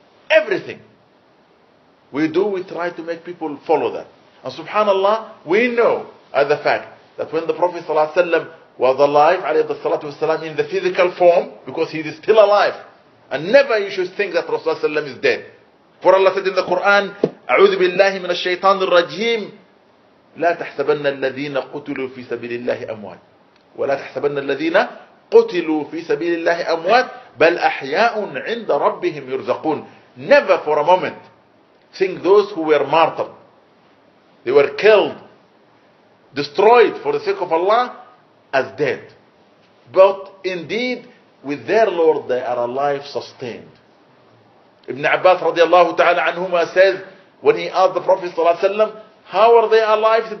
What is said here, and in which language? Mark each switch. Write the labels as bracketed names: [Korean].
[English] Everything we do, we try to make people follow that. And subhanAllah, we know as a fact that when the Prophet ﷺ was alive, alayhi salatu wasalam, in the physical form, because he is still alive, and never you should think that Rasulullah ﷺ is dead. [Arabic] For Allah said in the Quran, أعوذ بالله من الشيطان الرجيم لا تحسبن الذين قتلوا في سبيل الله أموات ولا تحسبن الذين قتلوا في سبيل الله أموات بل أحياء عند ربهم يرزقون. [English] Never for a moment think those who were martyred, they were killed, destroyed for the sake of Allah, as dead. But indeed with their Lord they are alive, sustained. Ibn Abbas radiallahu ta'ala anhuma says, when he asked the Prophet ﷺ, how are they alive?